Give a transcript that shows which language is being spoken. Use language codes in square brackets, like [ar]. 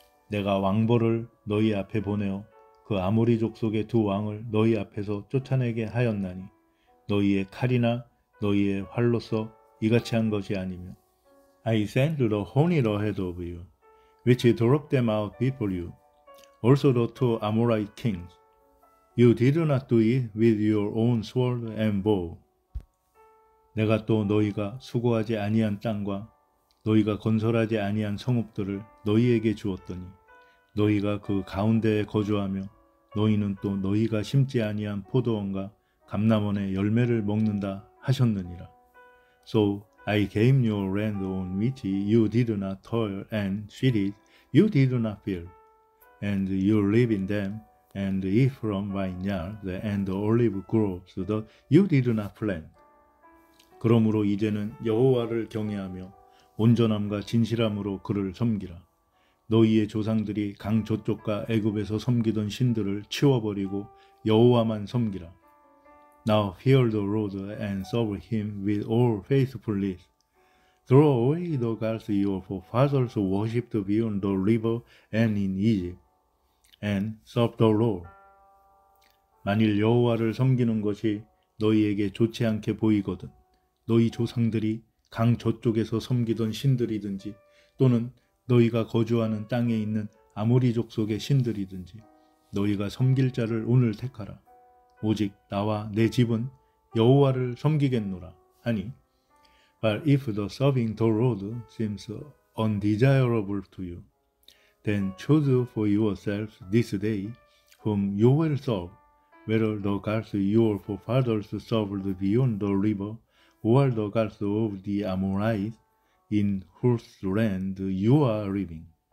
[ko] 내가 왕벌을 너희 앞에 보내어 그 아모리 족속의 두 왕을 너희 앞에서 쫓아내게 하였나니 너희의 칼이나 너희의 활로서 이같이 한 것이 아니며 [en] I sent the horned ahead of you, which drove them out before you, also the two Amorite kings. You did not do it with your own sword and bow. [ko] 내가 또 너희가 수고하지 아니한 땅과 너희가 건설하지 아니한 성읍들을 너희에게 주었더니 너희가 그 가운데에 거주하며 너희는 또 너희가 심지 아니한 포도원과 감람원의 열매를 먹는다 하셨느니라. [en] So I gave you a land on which you did not toil and sweat, you did not fear, and you live in them, and eat from vineyards and olive groves that you did not plant. [ko] 그러므로 이제는 여호와를 경외하며 온전함과 진실함으로 그를 섬기라. 너희의 조상들이 강 저쪽과 애굽에서 섬기던 신들을 치워버리고 여호와만 섬기라. [en] Now fear the Lord and serve him with all faithfulness. Throw away the gods your fathers worshipped beyond the river and in Egypt, and serve the Lord. [ko] 만일 여호와를 섬기는 것이 너희에게 좋지 않게 보이거든, 너희 조상들이 강 저쪽에서 섬기던 신들이든지 또는 너희가 거주하는 땅에 있는 아모리 족속의 신들이든지 너희가 섬길 자를 오늘 택하라. 오직 나와 내 집은 여호와를 섬기겠노라 하니 [en] But if the serving the Lord seems undesirable to you, then choose for yourselves this day whom you will serve, whether the gods your forefathers served beyond the river, or the gods of the Amorites, in whose land you are living.